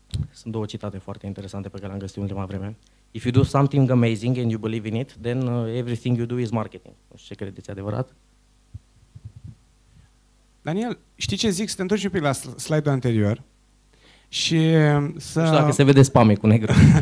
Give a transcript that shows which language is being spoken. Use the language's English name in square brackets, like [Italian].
[Romanian] Sunt două citate foarte interesante pe care le-am găsit în ultima vreme. [English] If you do something amazing and you believe in it, then everything you do is marketing. [Romanian] Nu știu ce credeți adevărat. Daniel, știi ce zic? Să te întorci un pic la slide-ul anterior. Și să... Nu știu dacă se vede spam cu negru.